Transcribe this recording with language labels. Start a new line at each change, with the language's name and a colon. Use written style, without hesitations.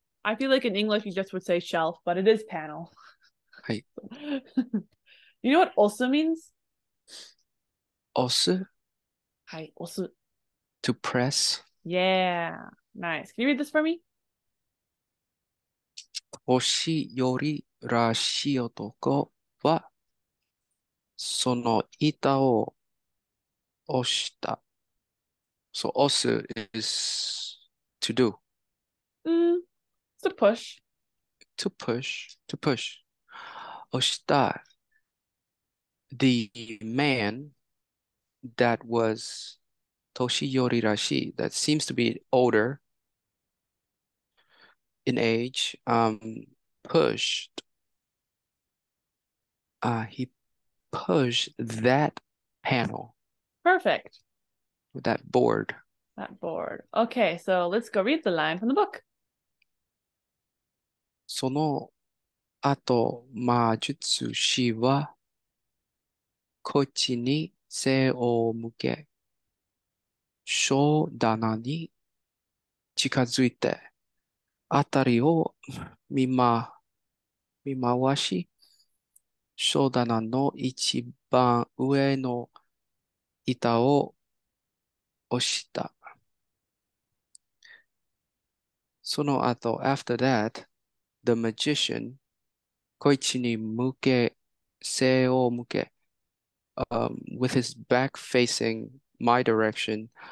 English: I feel like in English you just would say shelf, but it is panel. Hey. You know what also means? Also? Hi, also. To press. Yeah, nice. Can you read this for me?
Japanese: Oshi yori rashi otoko wa sono ita o oshita.
English: So osu is to do. To push. To push. To push. Oshita. The man that was toshiyori rashi, that seems to be older in age, pushed. He pushed that panel. Perfect. That board. That board. Okay, so let's go read the line from the book.
Japanese: その後、魔術師はこっちに背を向け、商棚に近づいて、あたりを見回し、商棚の一番上の板を押した。その後、
English: after that, the magician,
Japanese: Koichi ni muke, sei o muke,
English: with his back facing my direction,